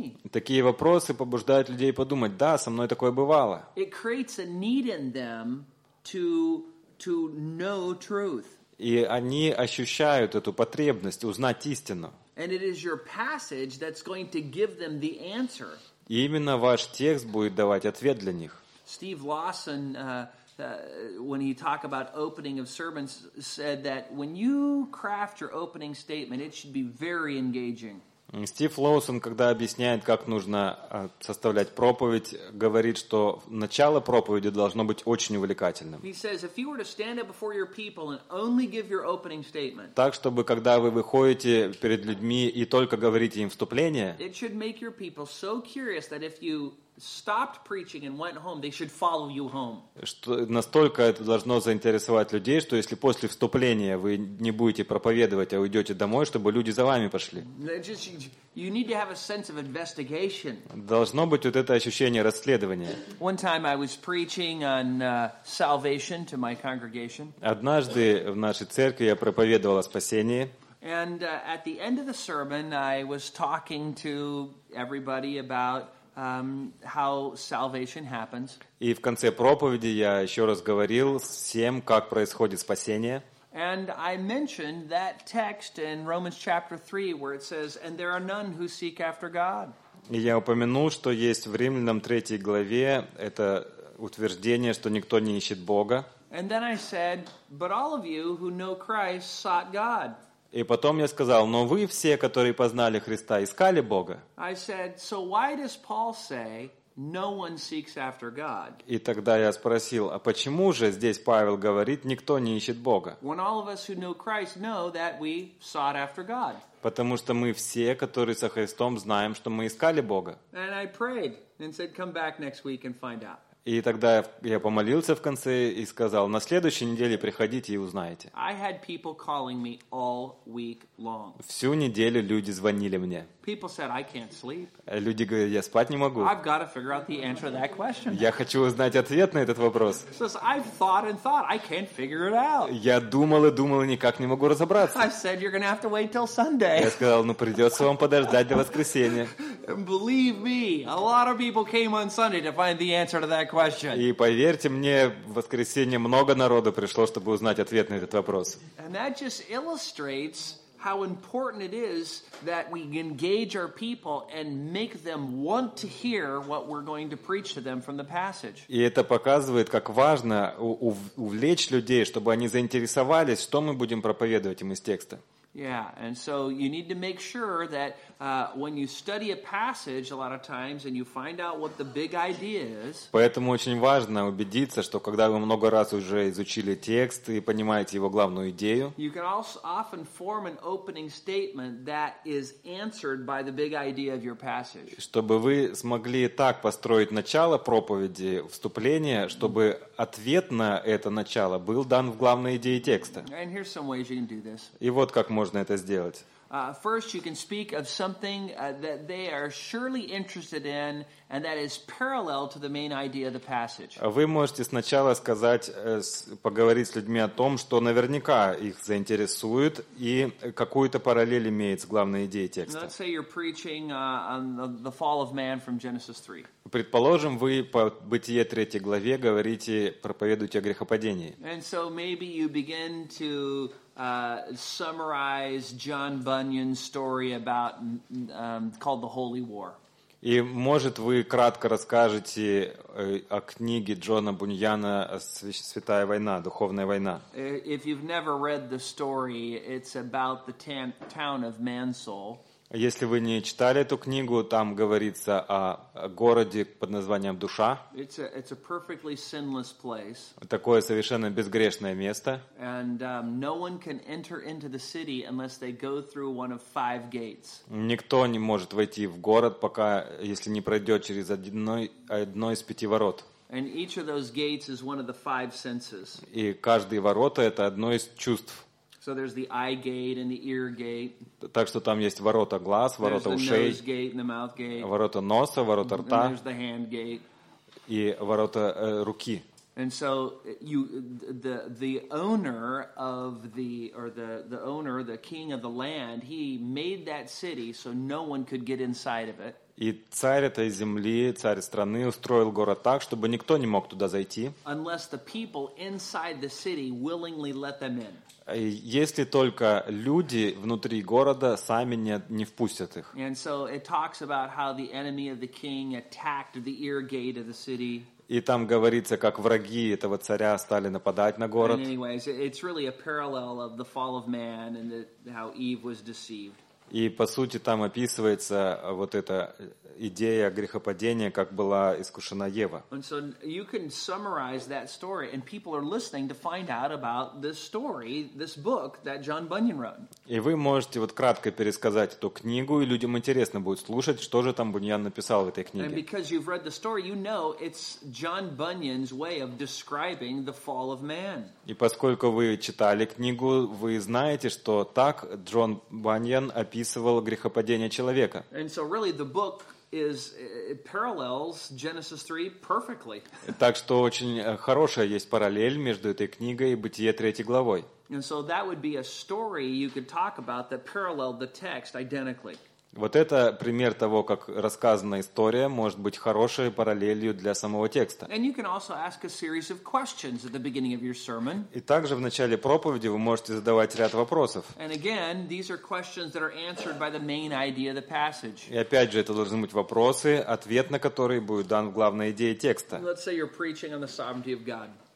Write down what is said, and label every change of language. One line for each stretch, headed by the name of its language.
Russian: Такие вопросы побуждают людей подумать, да, со мной такое бывало. И они ощущают эту потребность узнать истину.
English: And it is your passage that's going to give them the answer.
Russian: Именно ваш текст будет давать ответ для них.
English: Steve Lawson, when he talked about opening of sermons, said that when you craft your opening statement, it should be very engaging.
Russian: Стив Лоусон, когда объясняет, как нужно составлять проповедь, говорит, что начало проповеди должно быть очень увлекательным.
English: He says, if you were to stand up before your people and only give your opening statement,
Russian: так, чтобы когда вы выходите перед людьми и только говорите им вступление,
English: it should make your people so curious that if you stopped preaching and went home, they should follow you home.
Russian: Что настолько это должно заинтересовать людей, что если после вступления вы не будете проповедовать, а уйдете домой, чтобы люди за вами пошли.
English: You need to have a sense of investigation.
Russian: Должно быть вот это ощущение расследования.
English: One time I was preaching on salvation to my congregation.
Russian: Однажды в нашей церкви я проповедовал о спасении.
English: And at the end of the sermon, I was talking to everybody about how salvation happens.
Russian: И в конце проповеди я еще раз говорил всем, как происходит спасение.
English: And I mentioned that text in Romans chapter 3, where it says, "And there are none who seek after God."
Russian: И я упомянул, что есть в Римлянам 3 главе это утверждение, что никто не ищет Бога.
English: And then I said, "But all of you who know Christ sought God."
Russian: И потом я сказал, но вы все, которые познали Христа, искали Бога.
English: I said, so why does Paul say no one seeks after God?
Russian: И тогда я спросил, а почему же здесь Павел говорит, никто не ищет Бога?
English: When all of us who know Christ know that we sought after God.
Russian: Потому что мы все, которые со Христом, знаем, что мы искали Бога.
English: And I prayed and said, come back next week and find out.
Russian: И тогда я помолился в конце и сказал, на следующей неделе приходите и узнаете.
English: I had people calling me all week long.
Russian: Всю неделю люди звонили мне.
English: People said, I can't sleep.
Russian: Люди говорят, я спать не могу.
English: I've got to figure out the answer to that question.
Russian: Я хочу узнать ответ на этот вопрос.
English: I've thought and thought, I can't figure it out.
Russian: Я думал и думал, никак не могу разобраться.
English: I said, you're gonna have to wait till Sunday.
Russian: Я сказал, ну придется вам подождать до воскресенья.
English: Believe me, a lot of people came on Sunday to find the answer to that question.
Russian: И поверьте мне, в воскресенье много народу пришло, чтобы узнать ответ на этот вопрос.
English: And that just illustrates how important it is that we engage our people and make them want to hear what we're going to preach to them from the passage.
Russian: И это показывает, как важно увлечь людей, чтобы они заинтересовались, что мы будем проповедовать им из текста.
English: Yeah, and so you need to make sure that when you study a passage a lot of times and you find out what the big idea is.
Russian: Поэтому очень важно убедиться, что когда вы много раз уже изучили текст и понимаете его главную идею,
English: you can also often form an opening statement that is answered by the big idea of your passage.
Russian: Чтобы вы смогли так построить начало проповеди, вступление, чтобы ответ на это начало был дан в главной идее текста.
English: And here's some ways you can do this.
Russian: И вот как можно это сделать.
English: First, you can speak of something that they are surely interested in, and that is parallel to the main idea of the passage.
Russian: Вы можете сначала сказать, поговорить с людьми о том, что наверняка их заинтересует, и какую-то параллель имеет с главной идеей текста.
English: Let's say you're preaching on the fall of man from Genesis 3.
Russian: Предположим, вы по Бытие 3 главе говорите, проповедуете о грехопадении.
English: And so maybe you begin to summarize John Bunyan's story about called The Holy War.
Russian: И может вы кратко расскажете о книге Джона Буньяна «Святая война», «Духовная война».
English: If you've never read the story, it's about the town of Mansoul.
Russian: Если вы не читали эту книгу, там говорится о городе под названием Душа.
English: It's a perfectly sinless place.
Russian: Такое совершенно безгрешное место.
English: And no one can enter into the city unless they go through one of five gates.
Russian: Никто не может войти в город, пока если не пройдет через одно из пяти ворот.
English: And each of those gates is one of the five senses.
Russian: И каждые ворота это одно из чувств.
English: So there's the eye gate and the ear gate.
Russian: Так что там есть ворота глаз, ворота ушей.
English: There's the nose gate and the mouth gate.
Russian: Ворота носа, ворота рта.
English: And there's the hand gate.
Russian: И ворота руки.
English: And so the king of the land, he made that city so no one could get inside of it.
Russian: И царь этой земли, царь страны, устроил город так, чтобы никто не мог туда зайти.
English: Unless the people inside the city willingly let them in.
Russian: Если только люди внутри города сами не впустят их.
English: And so it talks about how the enemy of the king attacked the ear gate of the city.
Russian: И там говорится, как враги этого царя стали нападать на город.
English: And anyways, it's really a parallel of the fall of man and how Eve was deceived.
Russian: И по сути там описывается вот эта идея грехопадения, как была искушена Ева.
English: And so you can summarize that story, and people are listening to find out about this story, this book that John Bunyan wrote.
Russian: И вы можете вот кратко пересказать эту книгу, и людям интересно будет слушать, что же там Буньян написал в этой книге.
English: And because you've read the story, you know it's John Bunyan's way of describing the fall of man.
Russian: И поскольку вы читали книгу, вы знаете, что так Джон Баньян описывал грехопадение человека.
English: And so really the book is parallels Genesis 3 perfectly.
Russian: Так что очень хорошая есть параллель между этой книгой и Бытие 3 главой.
English: And so that would be a story you could talk about that paralleled the text identically.
Russian: Вот это пример того, как рассказанная история может быть хорошей параллелью для самого текста.
English: And you can also ask a series of questions at the beginning of your sermon.
Russian: И также в начале проповеди вы можете задавать ряд вопросов.
English: And again, these are questions that are answered by the main idea of the passage.
Russian: И опять же, это должны быть вопросы, ответ на которые будет дан в главной идее текста.
English: Let's say you're preaching on the sovereignty of God.